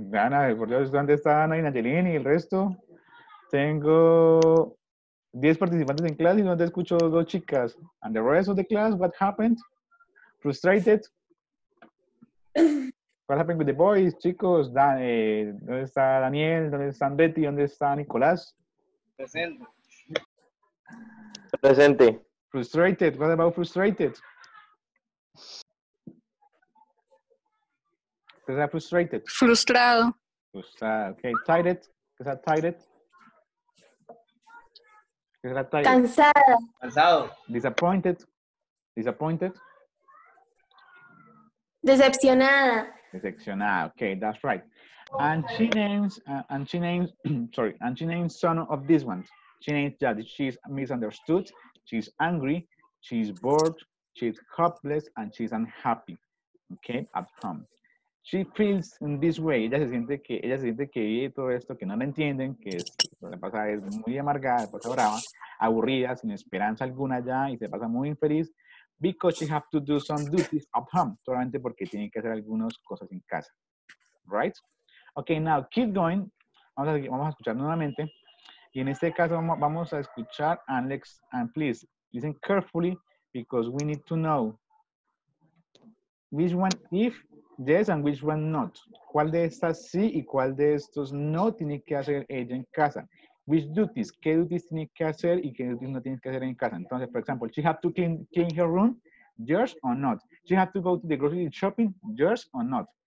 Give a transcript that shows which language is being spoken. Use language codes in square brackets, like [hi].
[es] Ana, por Dios, ¿dónde está Ana y Nayelin y el resto? Tengo 10 participantes en clase y no te escucho dos chicas. [en] And the rest of the class, what happened? Frustrated. What happened with the boys, [es] chicos? Dan, ¿dónde está Daniel? ¿Dónde está Betty? ¿Dónde está Nicolás? Presente. [en] Frustrated. What about frustrated? [es] ¿Qué es frustrated? Frustrado. Okay. Tired. ¿Qué es tired? ¿Qué es tired? Cansado. Cansado. [en] Disappointed. Disappointed. [es] Decepcionada. [en] Decepcionada. Okay, that's right. And she names some of these ones. She names that she's misunderstood, she's angry, she's bored, she's hopeless, and she's unhappy. Okay, at home. She feels in this way. [es] Ella se siente que todo esto que no la entienden, que es, lo que pasa es muy amargada, pasa brava, aburrida, sin esperanza alguna ya, y se pasa muy infeliz. [en] Because she has to do some duties at home. [es] Solamente porque tiene que hacer algunas cosas en casa. [en] Right? Okay, now keep going. [es] Vamos a escuchar nuevamente. Y en este caso vamos a escuchar, [en] and Alex, and please listen carefully because we need to know which one if yes and which one not. [es] ¿Cuál de estas sí y cuál de estos no tiene que hacer ella en casa? [en] Which duties? [es] ¿Qué duties tiene que hacer y qué duties no tiene que hacer en casa? [en] Entonces, for example, she has to clean her room, yours or not? She has to go to the grocery shopping, yours or not?